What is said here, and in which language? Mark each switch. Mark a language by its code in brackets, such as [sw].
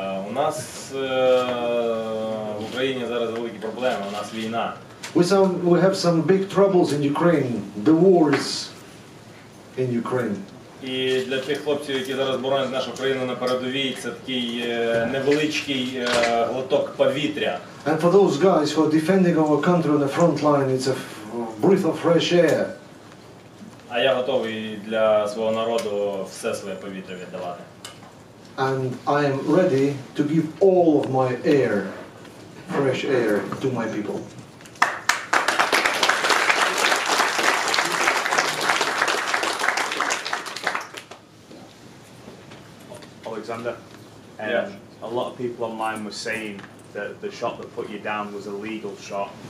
[uk] У нас в Україні зараз великі проблеми. У нас війна. [en] We have some big troubles in Ukraine. The wars in Ukraine. [uk] І для тих хлопців, які зараз боронять нашу країну на передовій, це такий невеличкий глоток повітря. [en] And for those guys who are defending our country on the front line, it's a breath of fresh air. [uk] А я готовий для свого народу все своє повітря віддавати. [en] And I am ready to give all of my air, fresh air, to my people. Alexander, a lot of people online were saying that the shot that put you down was a legal shot.